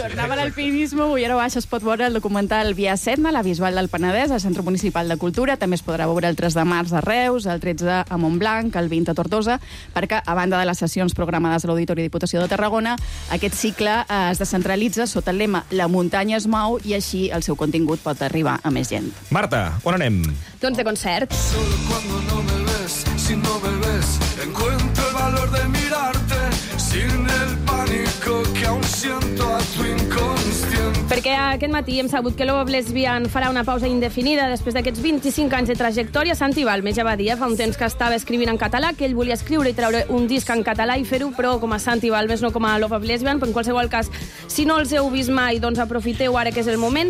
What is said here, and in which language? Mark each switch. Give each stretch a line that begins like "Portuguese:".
Catalan: Tornava a l'alpinisme, avui ara baix es pot veure el documental Via Setna, la visual del Penedès, al Centre Municipal de Cultura. També es podrà veure el 3 de març a Reus, el 13 a Montblanc, el 20 a Tortosa, perquè, a banda de les sessions programades a l'Auditori Diputació de Tarragona, aquest cicle es descentralitza sota el lema La muntanya es mou i així el seu contingut pot arribar a més gent. Marta, on anem? Doncs de concerts.
Spanish: Solo cuando no me ves, si no me ves, encuentro el valor de mirarte sin el pánico que aún siento a tu inconsciente.
Catalan: Perquè aquest matí hem sabut que Love Lesbian farà una pausa indefinida després d'aquests 25 anys de trajectòria. Santi Balmes ja va dir fa un temps que estava escrivint en català, que ell volia escriure i treure un disc en català i fer-ho, però com a Santi Balmes, no com a Love Lesbian. Però en qualsevol cas, si no els heu vist mai, doncs aprofiteu ara que és el moment.